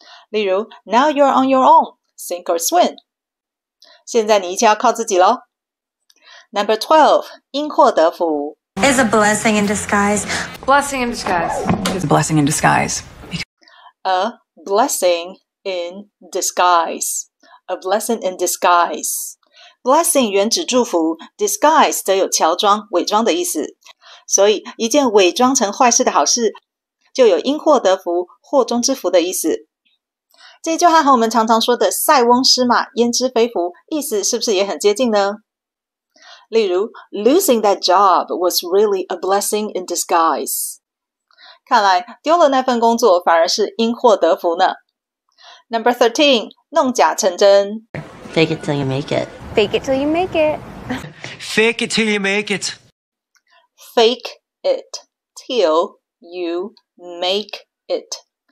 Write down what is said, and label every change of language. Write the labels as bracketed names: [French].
[English] 例如 ，Now you're on your own, sink or swim。 [Chinese] 现在你一切要靠自己咯。 [English] Number 12, [Chinese] 因祸得福。 [English] Is a blessing in disguise. Blessing in disguise. It's a blessing in disguise. A blessing in disguise. A blessing in disguise. [Chinese] Blessing 原指祝福， disguise 则有乔装、伪装的意思。所以一件伪装成坏事的好事，就有因祸得福、祸中之福的意思。这句话和我们常常说的塞翁失马、焉知非福意思是不是也很接近呢？ [English] 例如 Losing that job was really a blessing in disguise. [Chinese] 看来丢了那份工作反而是因祸得福呢。 [English] Number 13, [Chinese] 弄假成真。 [English] Fake it till you make it. Fake it till you make it. Fake it till you make it. fake it till you make it.